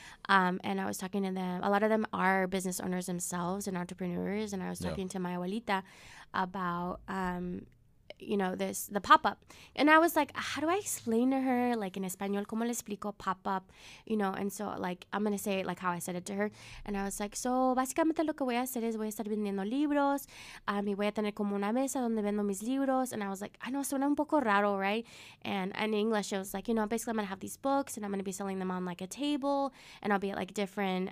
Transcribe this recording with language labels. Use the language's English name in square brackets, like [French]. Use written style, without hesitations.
[English] And I was talking to them. A lot of them are business owners themselves and entrepreneurs. And I was talking to my abuelita about, you know, the pop-up. And I was like, how do I explain to her, like, in Espanol, [Spanish] ¿cómo le explico pop-up? [English] You know, and so, like, I'm going to say, like, how I said it to her. And I was like, so, [Spanish] básicamente lo que voy a hacer es voy a estar vendiendo libros. Y voy a tener como una mesa donde vendo mis libros. [English] And I was like, I know, [Spanish] suena un poco raro, [English] right? And in English, it was like, you know, basically I'm going to have these books and I'm going to be selling them on, like, a table. And I'll be at, like, different.